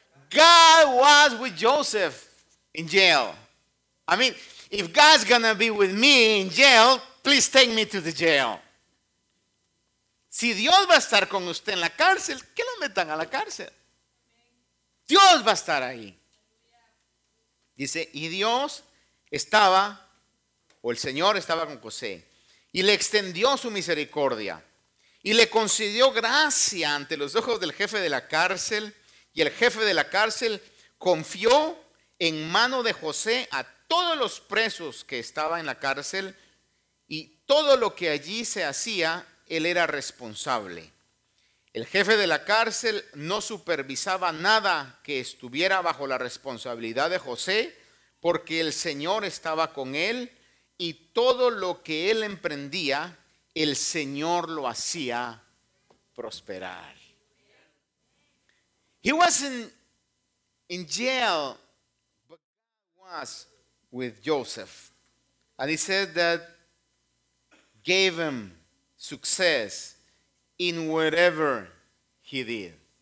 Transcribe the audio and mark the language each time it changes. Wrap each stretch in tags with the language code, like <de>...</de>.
<en>God was with Joseph in jail. I mean, if God's gonna be with me in jail, please take me to the jail.</en> <es>Si Dios va a estar con usted en la cárcel, que lo metan a la cárcel. Dios va a estar ahí. Dice, y Dios estaba, o el Señor estaba con José, y le extendió su misericordia, y le concedió gracia ante los ojos del jefe de la cárcel, y el jefe de la cárcel confió en mano de José a todos los presos que estaban en la cárcel, y todo lo que allí se hacía, él era responsable. El jefe de la cárcel no supervisaba nada que estuviera bajo la responsabilidad de José, porque el Señor estaba con él y todo lo que él emprendía, el Señor lo hacía prosperar.</es> <en>He wasn't in jail, but God was with Joseph. And he said that gave him success in whatever he did.</en>